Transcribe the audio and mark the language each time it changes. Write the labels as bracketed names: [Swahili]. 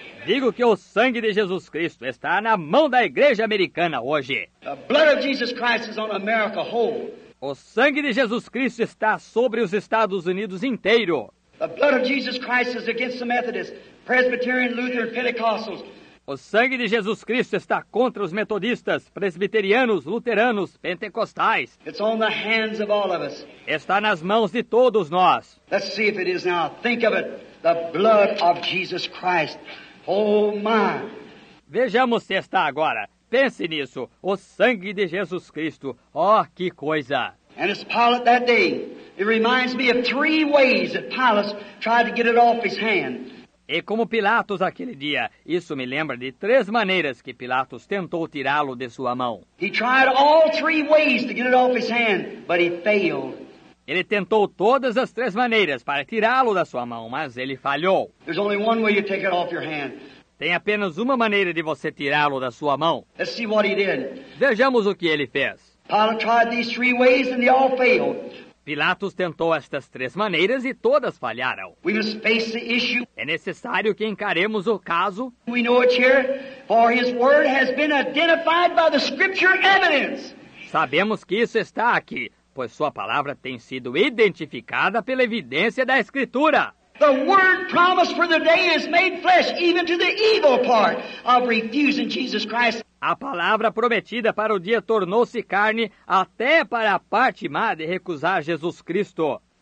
[Portuguese] Digo que o sangue de Jesus Cristo está na mão da igreja americana hoje. [English] The blood of Jesus Christ is on America whole. [Portuguese] O sangue de Jesus Cristo está sobre os Estados Unidos inteiro. [English] The blood of Jesus Christ is against the Methodists, Presbyterian, Lutheran, Pentecostals. [Portuguese] O sangue de Jesus Cristo está contra os metodistas, presbiterianos, luteranos, pentecostais. [English] It's on the hands of all of us. [Portuguese] Está nas mãos de todos nós. [English] Let's see if it is now. Think of it. The blood of Jesus Christ. Oh, my. [Portuguese] Vejamos se está agora. Pense nisso. O sangue de Jesus Cristo. Oh, que coisa. [English] And it's Pilate that day. It reminds me of three ways that Pilate tried to get it off his hand. [Portuguese] E como Pilatos aquele dia, isso me lembra de três maneiras que Pilatos tentou tirá-lo de sua mão. [English] He tried all three ways to get it off his hand, but he failed. [Portuguese] Ele tentou todas as três maneiras para tirá-lo da sua mão, mas ele falhou. [English] There's only one way you take it off your hand. [Portuguese] Tem apenas uma maneira de você tirá-lo da sua mão. [English] Let's see what he did. [Portuguese] Vejamos o que ele fez. [English] Pilate tried these three ways and they all failed. [Portuguese] Pilatos tentou estas três maneiras e todas falharam. [English] We must face the issue. [Portuguese] É necessário que encaremos o caso. [English] We know it here, for his word has been identified by the scripture evidence. [Portuguese] Sabemos que isso está aqui, pois sua palavra tem sido identificada pela evidência da escritura. [English] The word promised for the day is made flesh, even to the evil part of refusing Jesus Christ. [Portuguese] A palavra prometida para o dia tornou-se carne até para a parte má de recusar Jesus Cristo.